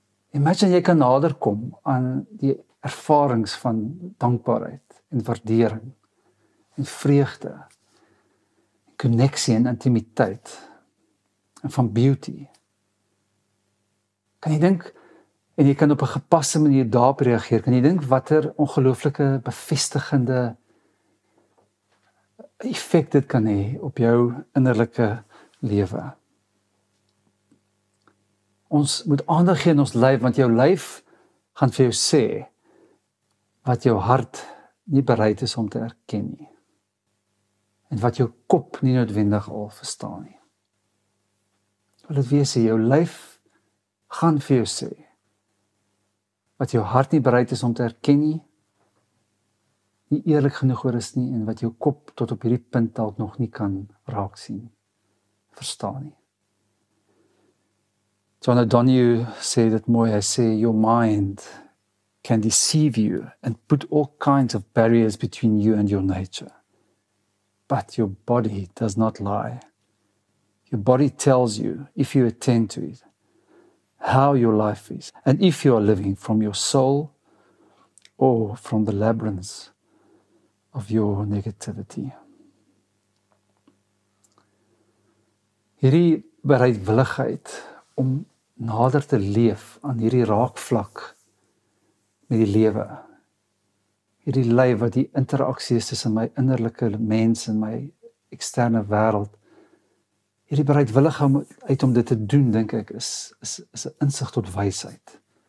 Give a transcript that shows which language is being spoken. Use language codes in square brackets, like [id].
[af] Imagine jy kan naderkom aan die ervarings van dankbaarheid en waardering en vreugde, connectie en intimiteit. En van beauty. Kan jy dink, en jy kan op 'n gepaste manier daarop reageer, kan jy dink watter ongelooflike bevestigende effect dit kan hê op jou innerlike lewe. Ons moet aandag gee aan ons lyf, want jou lyf gaan vir jou sê wat jou hart nie bereid is om te erken nie. En wat jou kop nie noodwendig al verstaan nie. Wil dit wees, jou lyf gaan vir jou sê wat jou hart nie bereid is om te erken nie, nie eerlik genoeg oor is nie, en wat jou kop tot op hierdie punt dalk nog nie kan raak sien, verstaan nie. [en] John O'Donoghue [af] sê dit mooi, hy sê, [en] your mind can deceive you and put all kinds of barriers between you and your nature. But your body does not lie. Your body tells you, if you attend to it, how your life is, and if you are living from your soul or from the labyrinths of your negativity. [af] Hierdie bereidwilligheid om nader te leef aan hierdie raakvlak met die lewe, hierdie lewe wat die interaksie is tussen my innerlike mens en my eksterne wêreld, hierdie bereidwilligheid om dit te doen, dink ek, is 'n insig tot wysheid.